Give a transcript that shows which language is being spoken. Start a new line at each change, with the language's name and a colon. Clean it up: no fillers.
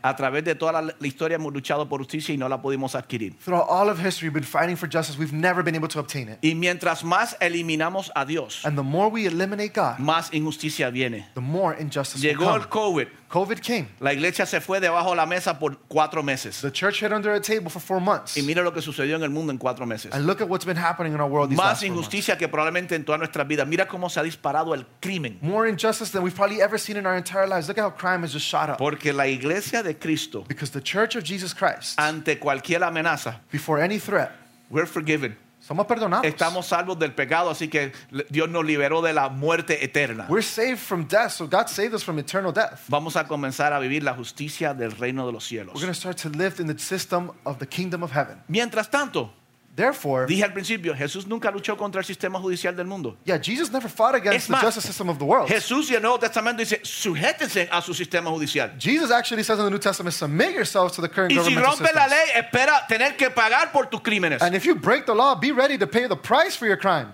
Spanish: A través de toda la historia hemos luchado por justicia y no la pudimos adquirir.
English: Through all of history we've been fighting for justice, we've never been able to obtain it.
Spanish: Y mientras más eliminamos a Dios,
English: and the more we eliminate God,
Spanish: más injusticia viene.
English: The more injustice
Spanish: llegó
English: will come.
Spanish: Llegó el COVID.
English: COVID came.
Spanish: La iglesia se fue debajo la mesa por 4 meses.
English: The church hid under a table for 4 months.
Spanish: Y mira lo que sucedió en el mundo en 4 meses.
English: And look at what's been happening in our world these
Spanish: más
English: last 4 months.
Spanish: Injusticia que probablemente en toda nuestra vida. Mira cómo se ha disparado el crimen.
English: More injustice than we've probably ever seen in our entire lives. Look at how crime has just shot up.
Spanish: Porque la iglesia de Cristo.
English: Because the church of Jesus Christ.
Spanish: Ante cualquier amenaza.
English: Before any threat. We're forgiven.
Spanish: Somos perdonados. Estamos salvos del pecado, así que Dios nos liberó de la muerte eterna.
English: We're saved from death, so God saved us from eternal death.
Spanish: Vamos a comenzar a vivir la justicia del reino de los cielos.
English: We're going to start to live in the system of the kingdom of heaven.
Spanish: Mientras tanto,
English: therefore,
Spanish: dije al principio, Jesús nunca luchó contra el sistema judicial del mundo.
English: Yeah, Jesus never fought against the justice system of the world.
Spanish: Jesús y el Nuevo Testamento dice, sujétense a su sistema judicial.
English: Jesus actually says in the New Testament, submit yourselves to the current government.
Spanish: Y si rompe la ley, espera tener que pagar por tus crímenes.
English: And if you break the law, be ready to pay the price for your crime.